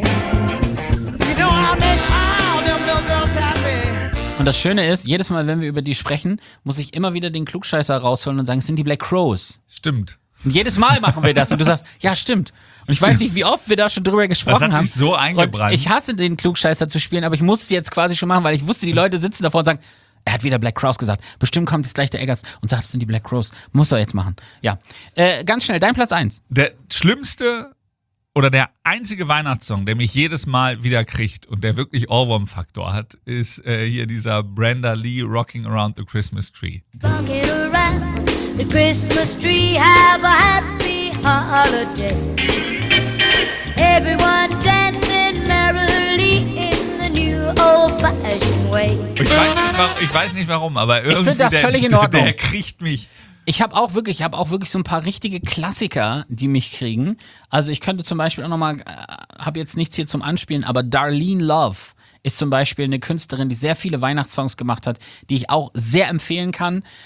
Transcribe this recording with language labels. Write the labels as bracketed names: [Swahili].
[English] You know I make all them little girls happy. [German] Und das Schöne ist, jedes Mal, wenn wir über die sprechen, muss ich immer wieder den Klugscheißer rausholen und sagen, es sind die Black Crowes. Stimmt. Und jedes Mal machen wir das und du sagst, ja, stimmt. Und stimmt. Ich weiß nicht, wie oft wir da schon drüber gesprochen haben. Das hat sich so eingebrannt. Ich hasse den Klugscheißer zu spielen, aber ich muss es jetzt quasi schon machen, weil ich wusste, die Leute sitzen davor und sagen, er hat wieder Black Crowes gesagt. Bestimmt kommt jetzt gleich der Eggers und sagt, es sind die Black Crowes. Muss er jetzt machen. Ja. Ganz schnell, dein Platz 1. Der schlimmste oder der einzige Weihnachtssong, der mich jedes Mal wieder kriegt und der wirklich Ohrwurm-Faktor hat, ist hier dieser Brenda Lee Rocking Around the Christmas Tree. [English] Rocking around the Christmas tree, have a happy holiday. Everyone dancing merrily in the new old-fashioned way. [German] Ich weiß nicht warum, aber irgendwie, ich find das völlig in Ordnung. Der kriegt mich. Ich habe auch wirklich so ein paar richtige Klassiker, die mich kriegen. Also ich könnte zum Beispiel auch nochmal, habe jetzt nichts hier zum Anspielen, aber Darlene Love ist zum Beispiel eine Künstlerin, die sehr viele Weihnachtssongs gemacht hat, die ich auch sehr empfehlen kann.